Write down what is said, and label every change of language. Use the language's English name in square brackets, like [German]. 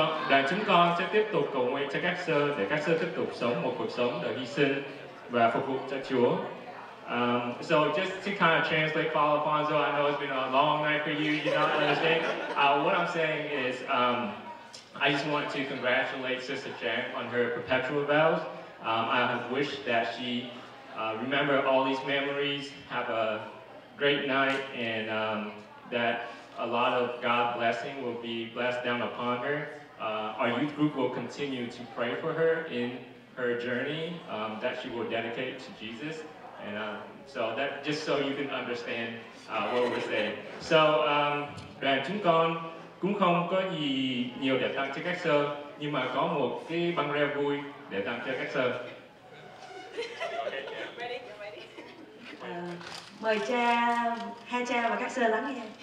[Vietnamese] Đoàn chúng con sẽ tiếp tục cầu nguyện cho các Sơ để các Sơ tiếp tục sống một cuộc sống đời hy sinh và phục vụ cho Chúa. [English] So just to kind of translate, Father Alfonso, I know it's been a long night for you, you don't understand. What I'm saying is, I just want to congratulate Sister Chang on her perpetual vows. I have wished that she remember all these memories, have a great night, and that a lot of God blessing will be blessed down upon her. Our youth group will continue to pray for her in her journey that she will dedicate to Jesus. And so that just so you can understand what we're saying. So, Ben Chung Kong. [Vietnamese] Cũng không có gì nhiều để tặng cho các sơ, nhưng mà có một cái băng reo vui để tặng cho các sơ. Mời cha, hai cha và các sơ lắng nghe.